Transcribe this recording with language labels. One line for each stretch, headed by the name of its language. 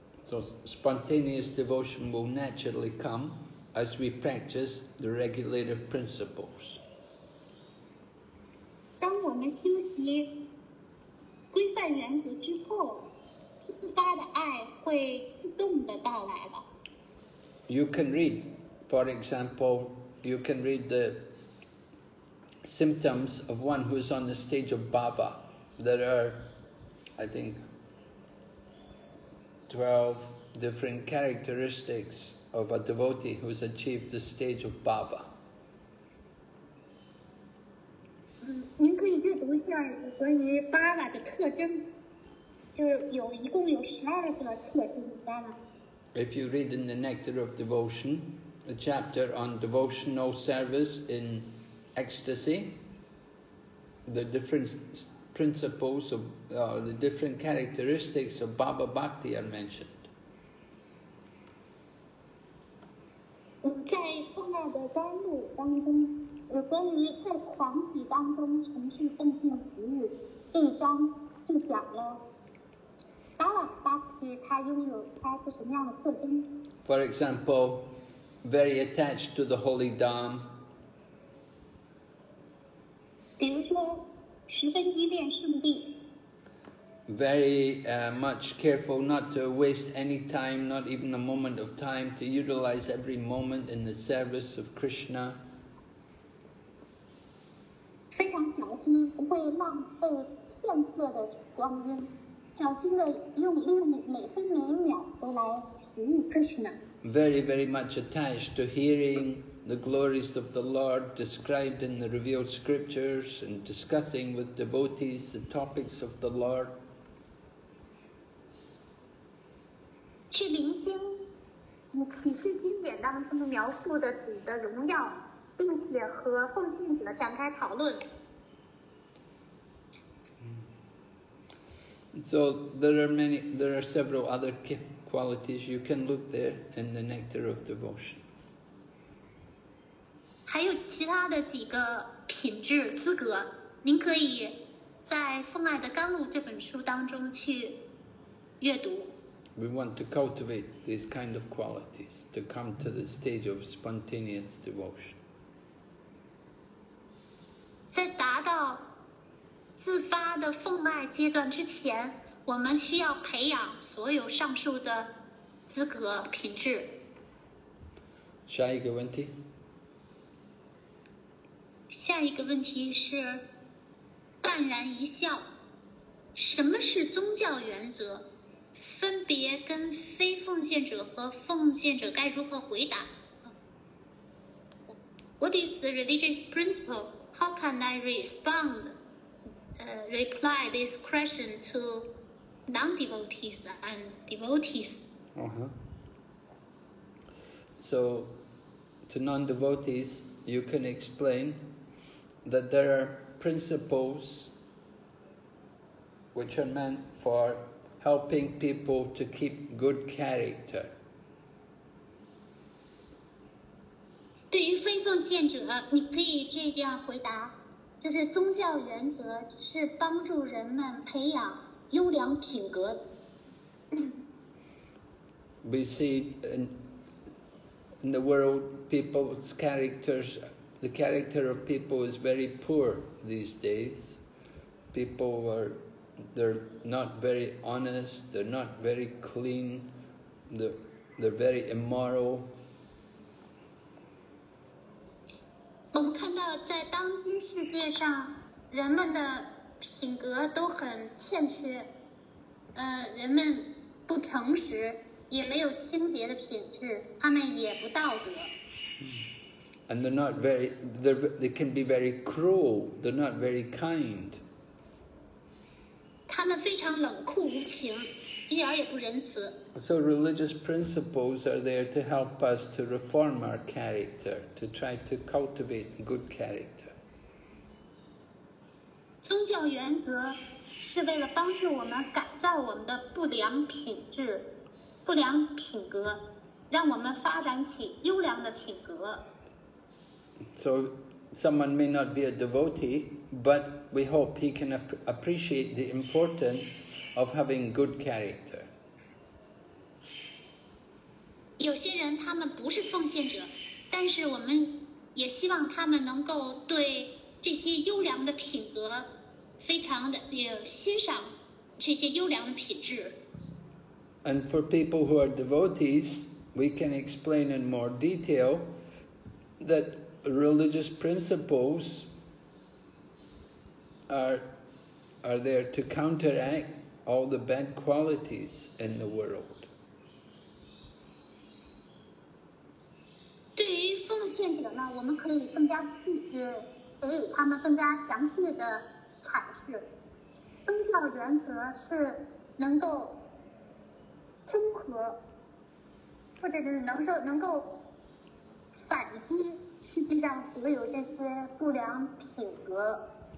English: So spontaneous devotion will naturally come as we practice the regulative principles.
Chinese: 我们修习规范原则之后，自发的爱会自动的到来的。
English: You can read, for example, you can read the symptoms of one who is on the stage of bhava. There are, I think, 12 different characteristics of a devotee who has achieved the stage of bhava.
Chinese: 您可以阅读一下关于巴瓦的特征，就是有一共有12个特征巴瓦。
English: If you read in the Nectar of Devotion, the chapter on devotional service in ecstasy, the different principles of the different characteristics of Baba Bhakti are mentioned.
Chinese: 在奉纳的甘露当中。关于在狂喜当中程序奉献服务这一章就讲了 Bhakti 它拥有它是什么样的特征。
English: For example, very attached to the Holy Dham.
Chinese: 比如说十分依恋圣地。
English: Very much careful not to waste any time, not even a moment of time, to utilize every moment in the service of Krishna.
Chinese: 非常小心，不会浪费片刻的光阴，小心的用每分每秒都来服务 Krishna。
English: Very, very much attached to hearing the glories of the Lord described in the revealed scriptures and discussing with devotees the topics of the Lord。
Chinese: 去聆听启示经典当中描述的主的荣耀。并且和奉献者展开讨论。
English: So there are several other qualities you can look there in the nectar of devotion.
Chinese: 还有其他的几个品质资格，您可以在《奉爱的甘露》这本书当中去阅读。
English: We want to cultivate these kind of qualities to come to the stage of spontaneous devotion.
Chinese: 在达到自发的奉爱阶段之前，我们需要培养所有上述的资格品质。下一个问题。下一个问题是，淡然一笑，什么是宗教原则？分别跟非奉献者和奉献者该如何回答 ？
English: What is the religious principle? How can I respond? Reply this question to non-devotees and devotees. So, to non-devotees, you can explain that there are principles which are meant for helping people to keep good character.
Chinese: 对于非奉献者，你可以这样回答，就是宗教原则是帮助人们培养优良品格。
English: We see in the world people's characters, the character of people is very poor these days. They're not very honest, they're not very clean, they're very immoral.
Chinese: 我们看到在当今世界上人们的品格都很欠缺，人们不诚实，也没有清洁的品质，他们也不道德。
English: And they can be very cruel, they're not very kind.
Chinese: 他们非常冷酷无情，一点也不仁慈。
English: So religious principles are there to help us to reform our character, to try to cultivate good character.
Chinese: 宗教原则是为了帮助我们改造我们的不良品质、不良品格，让我们发展起优良的品格。
English: So someone may not be a devotee. But we hope he can appreciate the importance of having good character.
Chinese: 有些人他们不是奉献者，但是我们也希望他们能够对这些优良的品格非常的欣赏这些优良的品质。
English: And for people who are devotees, we can explain in more detail that religious principles. Are there to counteract all the bad qualities in the world?
Chinese: 对于奉献者呢，我们可以更加细，给予他们更加详细的阐释。宗教原则是能够中和，或者是能够反击世界上所有这些不良品格。